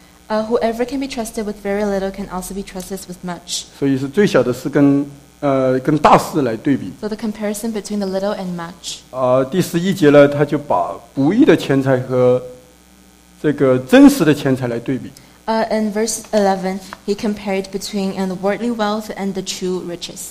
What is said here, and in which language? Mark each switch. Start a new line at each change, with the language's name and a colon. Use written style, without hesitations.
English: Whoever can be trusted with very little can also be trusted with much.
Chinese: 所以是最小的事跟大事来对比。
English: So the comparison between the little and much.
Chinese: 第十一节呢，他就把不义的钱财和这个真实的钱财来对比。
English: In verse 11, he compared between the worldly wealth and the true riches.